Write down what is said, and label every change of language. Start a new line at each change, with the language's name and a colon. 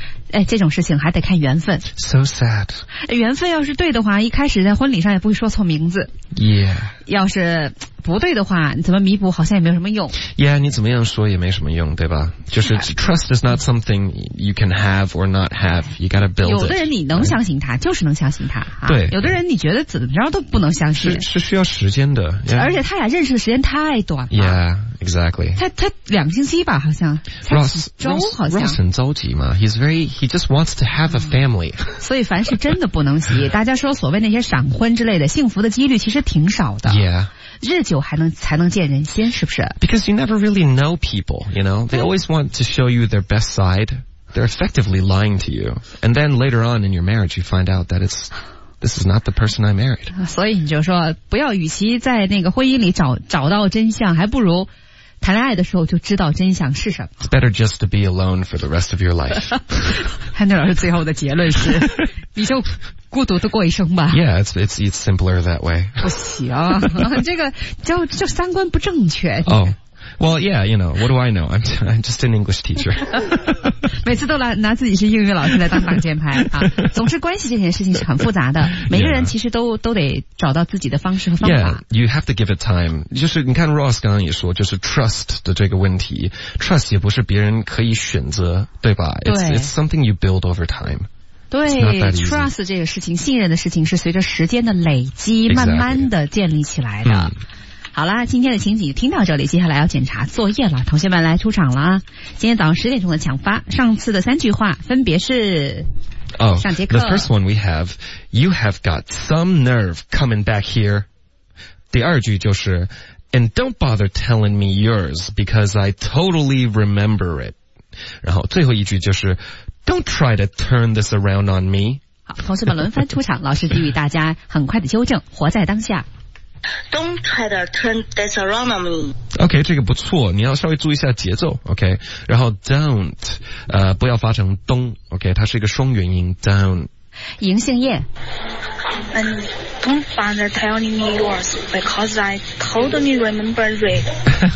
Chinese: 哎，这种事情还得看缘分。
English: So sad。
Chinese: 缘分要是对的话，一开始在婚礼上也不会说错名字。
English: Yeah。
Chinese: 要是不对的话，你怎么弥补好像也没有什么用。
English: Yeah，
Chinese: 你怎么样说也没什么用，对吧？就是
English: trust is not something you can have or not have. You gotta build it。
Chinese: 有的人你能相信他，就是能相信他。对。有的人你觉得怎么着都不能相信。是需要时间的。
English: Yeah。
Chinese: 而且他俩认识的时间太短了。
English: Yeah。 Exactly.
Chinese: 他两星期吧，好像。
English: Ross
Chinese: 很着急嘛。
English: He just wants to have a family.
Chinese: 所以凡是真的不能急，大家说所谓那些闪婚之类的，幸福的几率其实挺少的。
English: Yeah.
Chinese: 日久才能见人心，是不是？
English: Because you never really know people, you know? They always want to show you their best side. They're effectively lying to you. And then later on in your marriage, you find out that this is not the person I married.
Chinese: 所以你就说，不要与其在那个婚姻里找到真相，还不如谈恋爱的时候就知道真相是什么。
English: It's better just to be alone for the rest of your life.
Chinese: 汉娜老师最后的结论是，你就孤独的过一生吧。
English: Yeah, it's simpler that way.
Chinese: 不行，这个就三观不正确。
English: Oh. Well, yeah, you know, what do I know? I'm just an English teacher.
Chinese: 每次都拿自己是英语老师来当挡箭牌啊。总之关系这件事情是很复杂的。每个人其实都得找到自己的方式和方法。
English: Yeah, you have to give it time.
Chinese: 就是你看 Ross 刚刚也说就是 trust 的这个问题。 Trust 也不是别人可以选择，对吧？对。
English: It's something you build over time.
Chinese: 对 ,trust 这个事情，信任的事情是随着时间的累积、
English: exactly.
Chinese: 慢慢的建立起来的。 Mm. 好啦，今天的情景听到这里，接下来要检查作业了。同学们来出场了啊！今天早上十点钟的抢发，上次的三句话分别是： 哦、oh, ，上节课。
English: The first one we have, you have got some nerve coming back here。
Chinese: 第二句就是
English: ，and don't bother telling me yours because I totally remember it。
Chinese: 然后最后一句就是
English: ，don't try to turn this around on me。
Chinese: 好，同学们轮番出场，老师给予大家很快的纠正，活在当下。
English: Don't try to turn this around on me.
Chinese: OK, 这个不错，你要稍微注意一下节奏 OK, 然后 don't 不要发成 don't OK, 它是一个双元音 don't 银杏叶
English: And don't bother telling me yours because I totally remember it.